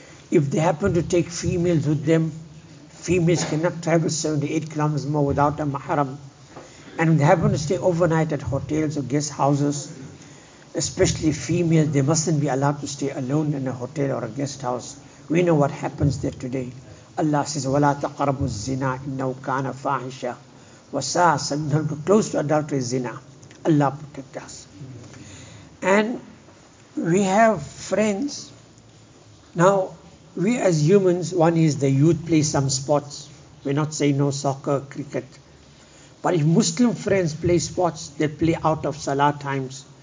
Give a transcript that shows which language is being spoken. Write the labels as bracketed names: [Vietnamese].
[English] If they happen to take females with them, females cannot travel 78 kilometers more without a mahram. and they happen to stay overnight at hotels or guest houses, especially females, they mustn't be allowed to stay alone in a hotel or a guest house. We know what happens there today. Allah says, [Arabic] وَلَا تَقْرَبُوا الزِّنَا إِنَّهُ كَانَ فَاحِشًا وَسَاءَ سَبِيلًا. [English] Close to adultery is zina. Allah protect us. And we have friends. Now, we as humans, one is the youth play some sports. We're not saying no soccer, cricket. But if Muslim friends play sports, they play out of salah times.